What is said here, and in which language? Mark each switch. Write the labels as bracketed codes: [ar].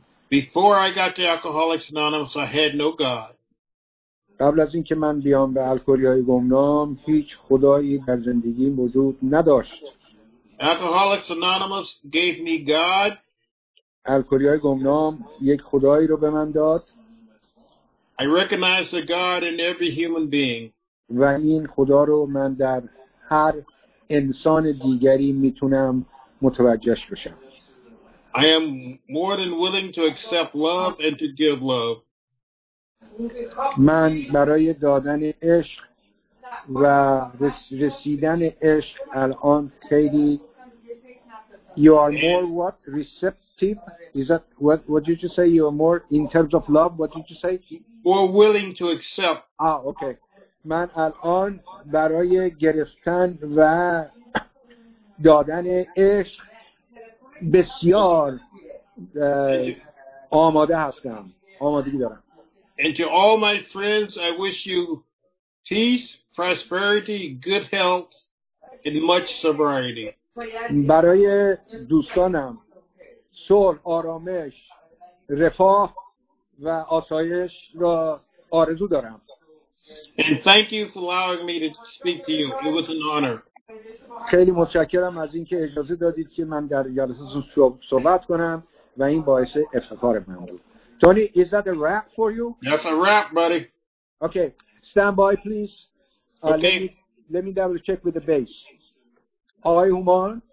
[en] Before I got to Alcoholics Anonymous, I had no God. [fa] قبل از اینکه من بیام به الکلی‌های گمنام هیچ خدایی در زندگی وجود نداشت. [en] Alcoholics Anonymous gave me God. [fa] الکلی‌های گمنام یک خدایی رو به من داد. [en] I recognize the God in every human being. [fa] و این خدا رو من در هر انسان دیگری میتونم متوجهش بشم. [en] I am more than willing to accept love and to give love. [fa] من برای دادن عشق و رسیدن عشق الان خیلی [en] you are more what receptive is that what did you say you are more in terms of love what did you say more willing to accept [fa] okay من الان برای گرفتن و دادن عشق بسیار آماده هستم آمادگی دارم. [en] And to all my friends, I wish you peace, prosperity, good health, and much sobriety. [fa] برای دوستانم صلح، آرامش، رفاه و آسایش را آرزو دارم. [en] And thank you for allowing me to speak to you. It was an honor. [fa] خیلی متشکرم از اینکه اجازه دادید که من در جلسه‌تون صحبت کنم و این باعث افتخار من بود. [en] Tony, is that a wrap for you? That's a wrap, buddy. Okay, stand by, please. Okay. Let me double check with the base. Are you on?